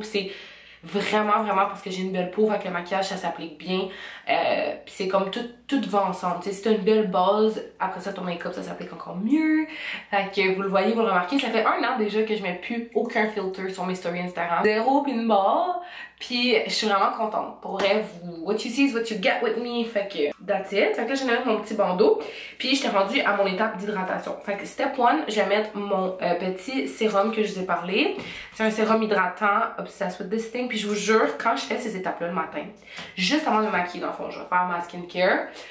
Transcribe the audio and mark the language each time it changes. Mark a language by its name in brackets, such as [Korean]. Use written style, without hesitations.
[French] Puis c'est vraiment, vraiment parce que j'ai une belle peau, avec le maquillage, ça s'applique bien. Puis c'est comme tout va ensemble. T'sais, si t'as une belle base, après ça, ton make-up, ça s'applique encore mieux. Fait que vous le voyez, vous le remarquez, ça fait un an déjà que je mets plus aucun filtre sur mes stories Instagram. Zéro pis une barre. Puis je suis vraiment contente. Pour vrai, vous, [English] what you see is what you get with me. [French] Fait que [English] that's it. [French] Fait que là, j'ai mis mon petit bandeau. Puis j'étais rendue à mon étape d'hydratation. Fait que [English] step one, [French] je vais mettre mon petit sérum que je vous ai parlé. C'est un sérum hydratant, [English] Obsessed with This Thing. [French] Puis je vous jure, quand je fais ces étapes-là le matin, juste avant de me maquiller, dans le fond, je vais faire ma skincare.